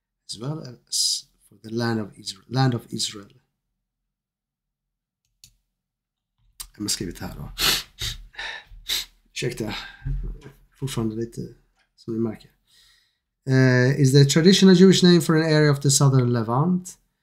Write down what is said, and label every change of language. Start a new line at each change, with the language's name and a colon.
English: As well as for the land of Israel. Land of Israel.
Swedish: Jag måste skriva det här då. Ursäkta. Fortfarande lite som ni märker.
English: Is the traditional Jewish name for an area of the southern Levant.